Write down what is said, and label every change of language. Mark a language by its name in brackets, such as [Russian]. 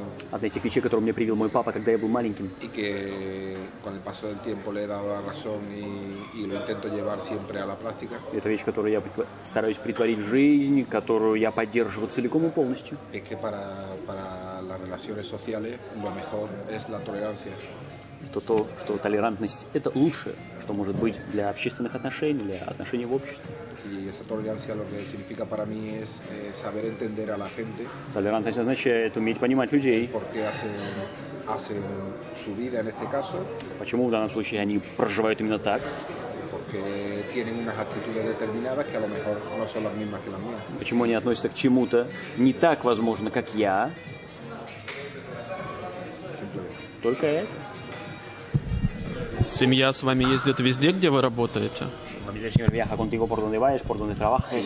[Russian] одна из тех вещей, которые мне привил мой папа, когда я был маленьким. [Spanish] И que con el paso del tiempo le he dado la razón y lo intento llevar siempre a la práctica. [Russian] Это вещь, которую я стараюсь притворить в жизнь, которую я поддерживаю целиком и полностью. [Spanish] Es que para las relaciones sociales lo mejor es la tolerancia. [Russian] То, что толерантность – это лучшее, что может быть для общественных отношений, для отношений в обществе. И эта толерантность, что означает для меня, это [Spanish] saber entender a la gente. [Russian] Толерантность означает уметь понимать людей. [Spanish] Porque hacen su vida en este caso. [Russian] Почему в данном случае они проживают именно так? [Spanish] Porque tienen unas actitudes determinadas que a lo mejor no son las mismas que las mías. [Russian] Почему они относятся к чему-то не так, возможно, как я? [Spanish] Simplemente. [Russian] Только это. Семья с вами ездит везде, где вы работаете? [Spanish] Familia siempre viaja contigo por donde vayas, por donde trabajes.